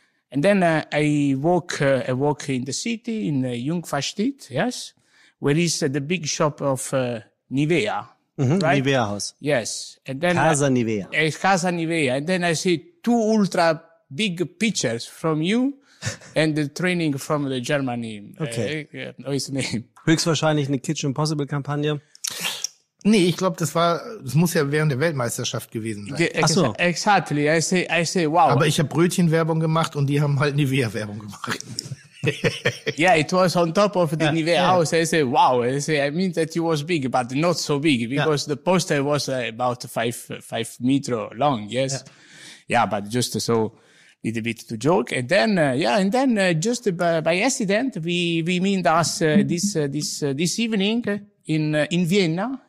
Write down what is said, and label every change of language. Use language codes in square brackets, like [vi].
[en] And then I walk in the city, in Jungfernstieg, yes, where is the big shop of Nivea, mm-hmm, right? Nivea House. Yes. And then Casa Nivea. Casa Nivea. And then I see 2 ultra big pictures from you and the training from the Germany. Okay. No, his name. [de] Höchstwahrscheinlich eine Kitchen Impossible Kampagne. Nee, ich glaube, das muss ja während der Weltmeisterschaft gewesen sein. Ach so. [en] Exactly. I say, wow. [de] Aber ich habe Brötchenwerbung gemacht und die haben halt Nivea-Werbung gemacht. [en] Yeah, it was on top of the Nivea house. I say, wow. I mean that it was big, but not so big because the poster was about 5 meter long. Yes. Yeah, but just so little bit to joke. And then, just by accident, we meet us this evening in Vienna.